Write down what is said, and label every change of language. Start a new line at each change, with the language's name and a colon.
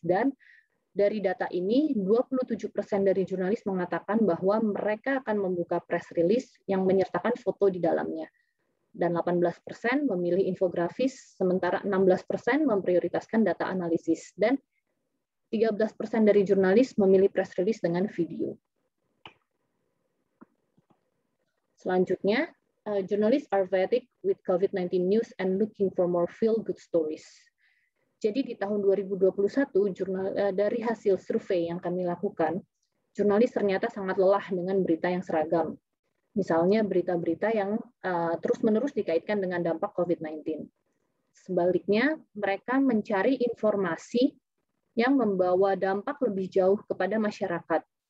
Indonesian: Dan dari data ini, 27% dari jurnalis mengatakan bahwa mereka akan membuka press release yang menyertakan foto di dalamnya. Dan 18% memilih infografis, sementara 16% memprioritaskan data analisis. Dan 13% dari jurnalis memilih press release dengan video.
English: Selanjutnya, journalists are fatigued with COVID-19 news and looking for more feel-good stories.
Indonesian: Jadi di tahun 2021, dari hasil survei yang kami lakukan, jurnalis ternyata sangat lelah dengan berita yang seragam. Misalnya berita-berita yang terus-menerus dikaitkan dengan dampak COVID-19. Sebaliknya, mereka mencari informasi yang membawa dampak lebih jauh kepada masyarakat.